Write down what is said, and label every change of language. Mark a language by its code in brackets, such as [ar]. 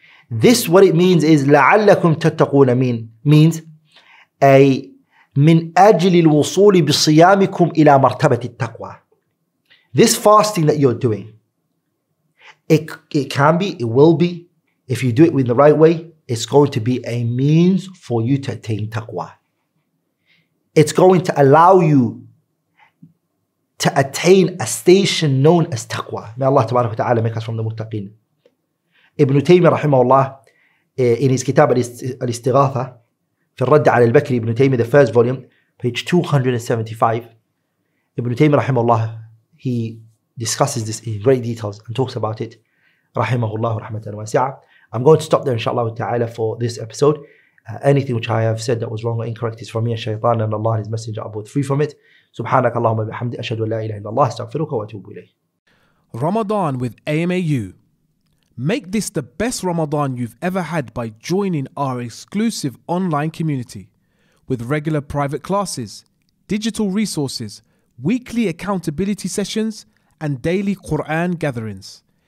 [en] This, what it means is [ar] لَعَلَّكُمْ تَتَّقُونَ [en] means a [ar] من أجل الوصول بصيامكم إلى مرتبة التقوى. [en] This fasting that you're doing, it can be, it will be, if you do it in the right way, it's going to be a means for you to attain taqwa. It's going to allow you to attain a station known as taqwa. May Allah tabarak wa ta'ala make us from the muttaqin. Ibn Taymiyyah rahimahullah, in his kitab al-istighatha, في الرد على البكري ابن تيمية, the first volume, page 275. Ibn Taymiyyah [ar] رحمه الله, [en] he discusses this in great details and talks about it. [ar] رحمه الله رحمة واسعة. [en] I'm going to stop there inshallah ta'ala for this episode. Anything which I have said that was wrong or incorrect is from me and Shaytan, and Allah and His Messenger are both free from it. [ar] سبحانك اللهم بحمد أشهد أن لا إله إلا الله استغفرك وأتوب إليه. [en] Ramadan with AMAU. Make this the best Ramadan you've ever had by joining our exclusive online community with regular private classes, digital resources, weekly accountability sessions, and daily Qur'an gatherings.